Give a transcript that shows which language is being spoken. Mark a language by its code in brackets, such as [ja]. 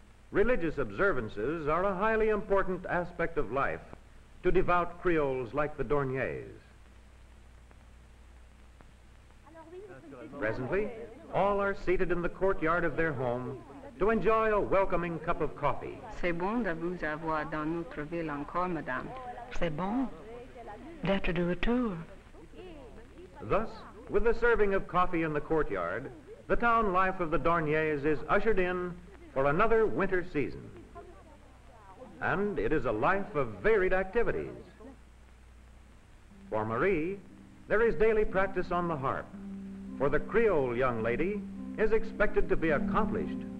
[en] Religious observances are a highly important aspect of life to devout Creoles like the Dorniers. Presently, all are seated in the courtyard of their home to enjoy a welcoming cup of coffee. [fr] C'est bon de vous avoir dans notre ville encore, madame. C'est bon d'être de retour. [en] Thus, with the serving of coffee in the courtyard, the town life of the Dorniers is ushered in for another winter season. And it is a life of varied activities. For Marie, there is daily practice on the harp, for the Creole young lady is expected to be accomplished.